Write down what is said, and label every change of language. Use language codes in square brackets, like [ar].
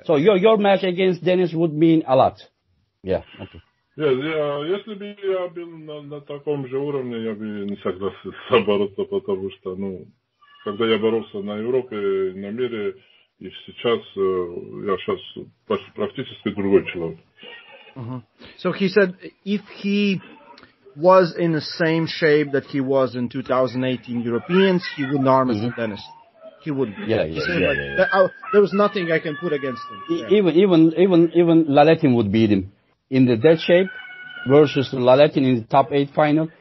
[en] So your match against Dennis would mean a lot. Yeah, okay. [ru] Если бы я был на таком же уровне, я бы не согласился бороться, потому что, ну, когда я боролся на Европе, на мире, и сейчас, я сейчас практически другой человек. Uh-huh. [en] So he said if he was in the same shape that he was in 2018 Europeans, he wouldn't arm as Dennis. He wouldn't. There was nothing I can put against him. Even Laletin would beat him in that shape versus Laletin in the top 8 final.